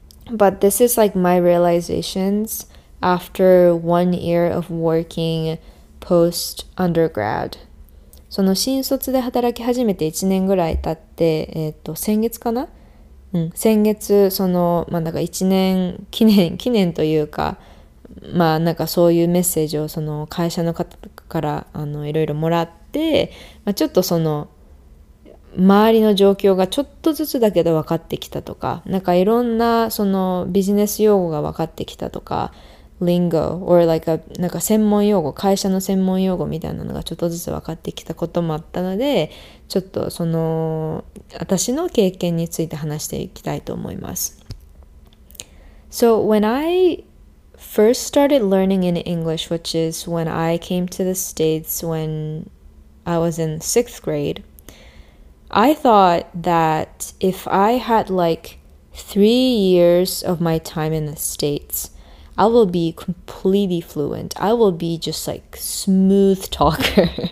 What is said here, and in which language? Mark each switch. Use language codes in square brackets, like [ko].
[en] But this is like my realizations after 1 year of working post undergrad. [ja] その新卒で働き始めて1年ぐらい経って、先月かな、先月その、まあ、なんか1年記念というか、まあ、なんかそういうメッセージをその会社の方からいろいろもらって、まあ、ちょっとその周りの状況がちょっとずつだけど分かってきたとか、なんかいろんなそのビジネス用語が分かってきたとか [en] lingo or like a [ja] なんか専門用語、会社の専門用語みたいなのがちょっとずつ分かってきたこともあったので、ちょっとその私の経験について話していきたいと思います。 [en] So when I first started learning in English, which is when I came to the States when I was in sixth grade, I thought that if I had like 3 years of my time in the States,I will be completely fluent. I will be just like smooth talker.